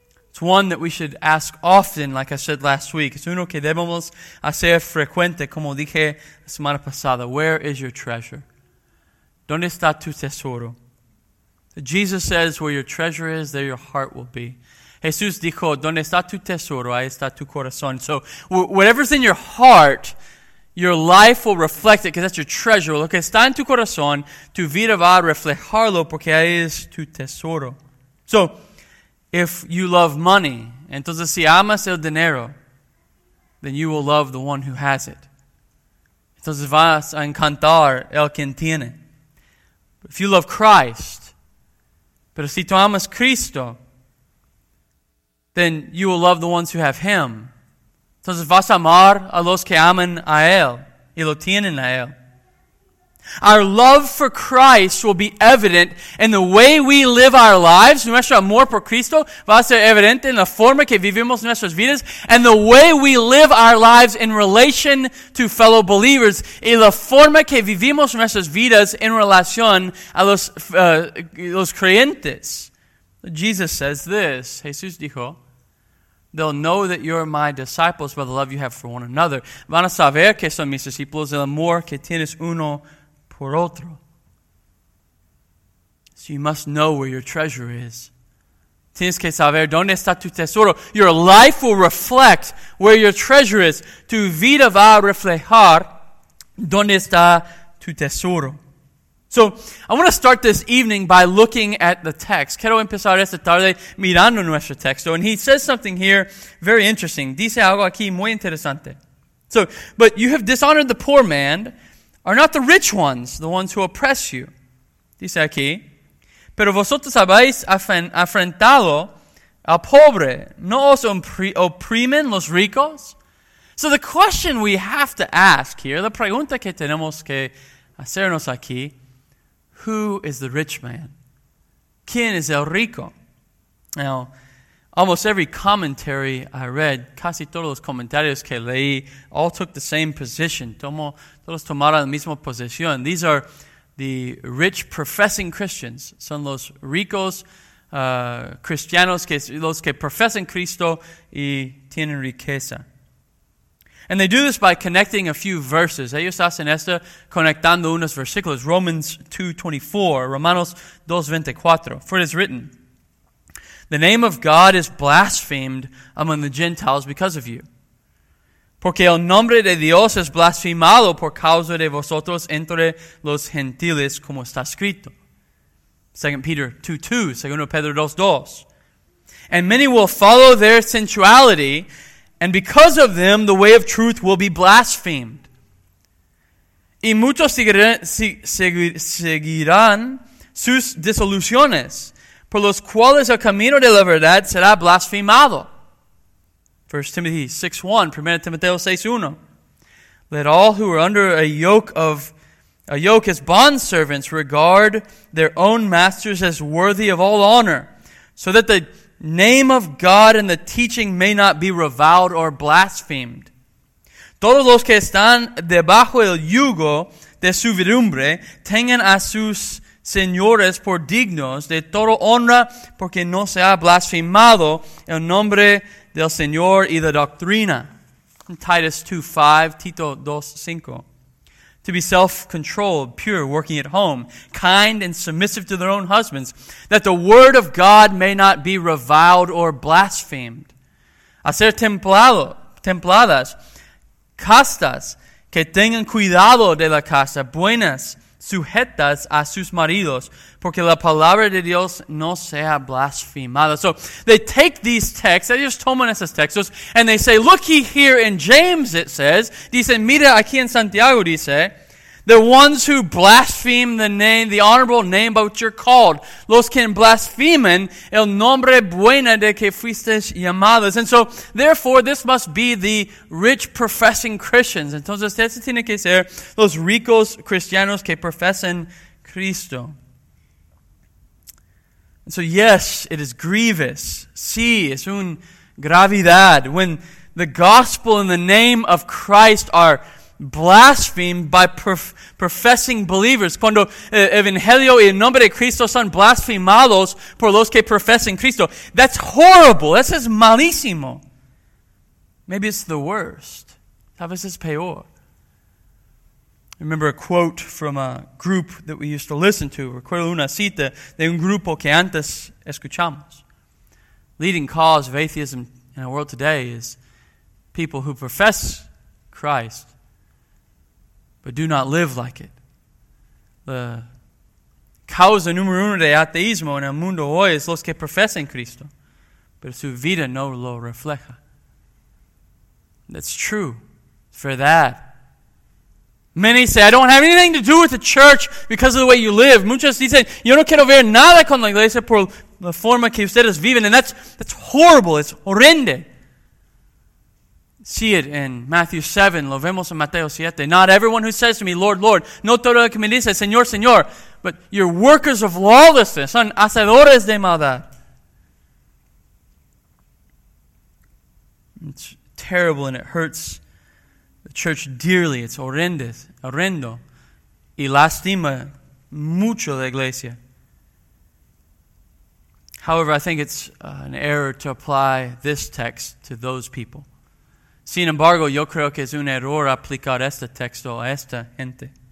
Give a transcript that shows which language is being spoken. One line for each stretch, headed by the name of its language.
English: It's one that we should ask often, like I said last week.
Spanish: Es uno que debemos hacer frecuente, como dije la semana pasada.
English: Where is your treasure?
Spanish: ¿Dónde está tu tesoro?
English: Jesus says, where your treasure is, there your heart will be.
Spanish: Jesús dijo, ¿dónde está tu tesoro? Ahí está tu corazón.
English: So whatever's in your heart, your life will reflect it, because that's your treasure.
Spanish: Lo que está en tu corazón, tu vida va a reflejarlo, porque ahí es tu tesoro.
English: So, if you love money,
Spanish: entonces si amas el dinero,
English: then you will love the one who has it.
Spanish: Entonces vas a encantar el quien tiene.
English: If you love Christ,
Spanish: pero si tú amas Cristo,
English: then you will love the ones who have Him.
Spanish: Entonces vas a amar a los que aman a Él y lo tienen a Él.
English: Our love for Christ will be evident in the way we live our lives.
Spanish: Nuestro amor por Cristo va a ser evidente en la forma que vivimos nuestras vidas
English: and the way we live our lives in relation to fellow believers
Spanish: y la forma que vivimos nuestras vidas en relación a los creyentes.
English: Jesus says this,
Spanish: Jesús dijo,
English: they'll know that you're my disciples by the love you have for one another.
Spanish: Van a saber que son mis discípulos el amor que tienes uno por otro.
English: So you must know where your treasure is.
Spanish: Tienes que saber dónde está tu tesoro.
English: Your life will reflect where your treasure is.
Spanish: Tu vida va a reflejar dónde está tu tesoro.
English: So, I want to start this evening by looking at the text.
Spanish: Quiero empezar esta tarde mirando nuestro texto.
English: And he says something here very interesting.
Spanish: Dice algo aquí muy interesante.
English: So, but you have dishonored the poor man. Are not the rich ones the ones who oppress you?
Spanish: dice aquí, pero vosotros habéis afrentado al pobre. ¿No os oprimen los ricos?
English: So the question we have to ask here,
Spanish: la pregunta que tenemos que hacernos aquí,
English: who is the rich man?
Spanish: ¿Quién es el rico?
English: Now, almost every commentary I read,
Spanish: casi todos los comentarios que leí,
English: all took the same position.
Spanish: Todos tomaron la misma posición.
English: These are the rich professing Christians.
Spanish: Son los ricos cristianos, los que profesan Cristo y tienen riqueza.
English: And they do this by connecting a few verses.
Spanish: Ellos hacen esto conectando unos versículos.
English: Romans 2:24, Romanos 2:24. For it is written, the name of God is blasphemed among the Gentiles because of you.
Spanish: Porque el nombre de Dios es blasfemado por causa de vosotros entre los gentiles, como está escrito.
English: 2 Peter 2:2, 2 Pedro 2:2. And many will follow their sensuality, and because of them the way of truth will be blasphemed.
Spanish: Y muchos seguirán sus desilusiones, por los cuales el camino de la verdad será blasfemado.
English: 1 Timothy 6:1, 1 Timoteo 6:1. Let all who are under a yoke as bondservants regard their own masters as worthy of all honor, so that the name of God and the teaching may not be reviled or blasphemed.
Spanish: Todos los que están debajo el yugo de su servidumbre tengan a sus señores por dignos de toda honra, porque no se ha blasfemado el nombre del Señor y la doctrina.
English: Titus 2:5, Tito 2:5. To be self-controlled, pure, working at home, kind and submissive to their own husbands, that the word of God may not be reviled or blasphemed.
Spanish: A ser templadas, castas, que tengan cuidado de la casa, buenas, sujetas a sus maridos, porque la palabra de Dios no sea blasfemada.
English: So they take these texts,
Spanish: ellos toman esos textos,
English: and they say, looky here in James, it says,
Spanish: dicen, mira aquí en Santiago, dice,
English: the ones who blaspheme the name, the honorable name by which you're called,
Spanish: los que blasfemen el nombre bueno de que fuisteis llamados.
English: And so, therefore, this must be the rich professing Christians.
Spanish: Entonces, este tiene que ser los ricos cristianos que profesan Cristo.
English: And so, yes, it is grievous.
Spanish: Sí, es un gravidad.
English: When the gospel and the name of Christ are blasphemed by professing believers.
Spanish: Cuando evangelio y el nombre de Cristo son blasfemados por los que profesan Cristo.
English: That's horrible. That's just malísimo. Maybe it's the worst.
Spanish: Tal vez es peor.
English: Remember a quote from a group that we used to listen to.
Spanish: Recuerdo una cita de un grupo que antes escuchamos.
English: Leading cause of atheism in our world today is people who profess Christ but do not live like it.
Spanish: La causa número uno de ateísmo en el mundo hoy es los que profesan Cristo, pero su vida no lo refleja.
English: That's true. For that, many say, I don't have anything to do with the church because of the way you live.
Spanish: Muchos dicen, yo no quiero ver nada con la iglesia por la forma que ustedes viven.
English: And that's horrible. It's horrendo. See it in Matthew 7,
Spanish: lo vemos en Mateo 7.
English: Not everyone who says to me, Lord, Lord,
Spanish: no todo el que me dice, Señor, Señor,
English: but your workers of lawlessness,
Spanish: son hacedores de maldad.
English: It's terrible and it hurts the church dearly.
Spanish: It's horrendo. Y lastima mucho la iglesia.
English: However, I think it's an error to apply this text to those people.
Spanish: Sin embargo, yo creo que es un error aplicar este texto a esta gente.